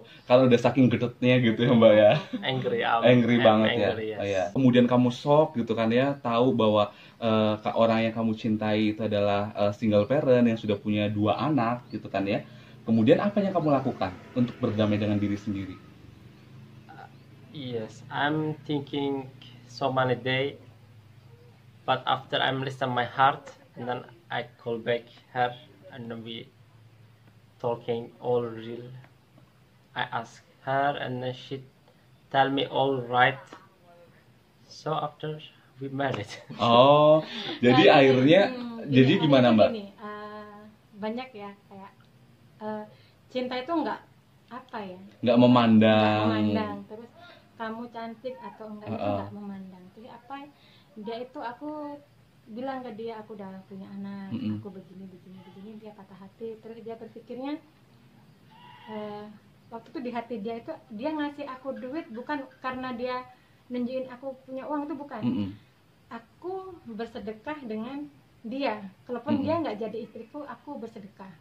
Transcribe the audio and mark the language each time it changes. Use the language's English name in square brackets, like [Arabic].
[Indonesian] kalau udah saking gedutnya gitu ya mbak ya [English] angry [Indonesian] banget ya. Oh, ya kemudian kamu shock gitu kan ya tahu bahwa orang yang kamu cintai itu adalah single parent yang sudah punya dua anak gitu kan ya kemudian apa yang kamu lakukan untuk berdamai dengan diri sendiri [English] yes I'm thinking so many day but after I'm listen my heart and then I call back her and then we talking all real I ask her and then she tell me all right so after we married [Indonesian] jadi nah, akhirnya jadi gimana mbak ini, banyak ya kayak cinta itu enggak apa ya enggak memandang terus kamu cantik atau enggak itu enggak memandang tapi apa dia itu aku bilang ke dia aku udah punya anak aku begini dia patah hati terus dia berpikirnya waktu itu di hati dia itu dia ngasih aku duit bukan karena dia nunjukin aku punya uang itu bukan aku bersedekah dengan dia kalaupun dia nggak jadi istriku aku bersedekah